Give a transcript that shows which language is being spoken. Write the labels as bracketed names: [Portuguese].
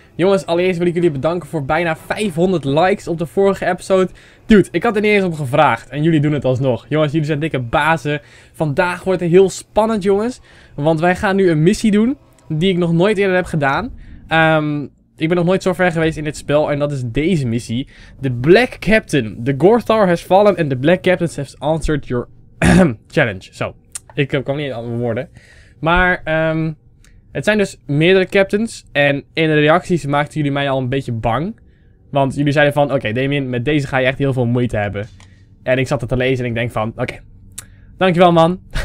[Dutch] Jongens, allereerst wil ik jullie bedanken voor bijna 500 likes op de vorige episode. Dude, ik had er niet eens om gevraagd en jullie doen het alsnog. Jongens, jullie zijn dikke bazen. Vandaag wordt het heel spannend, jongens. Want wij gaan nu een missie doen die ik nog nooit eerder heb gedaan. Ik ben nog nooit zo ver geweest in dit spel en dat is deze missie. [English] The Black Captain. The Gore Tower has fallen and the Black Captain has answered your challenge. [Dutch] Zo, ik kwam niet in andere woorden. Maar het zijn dus meerdere captains en in de reacties maakten jullie mij al een beetje bang. Want jullie zeiden van, oké, Damien, met deze ga je echt heel veel moeite hebben. En ik zat het te lezen en ik denk van, oké, dankjewel man.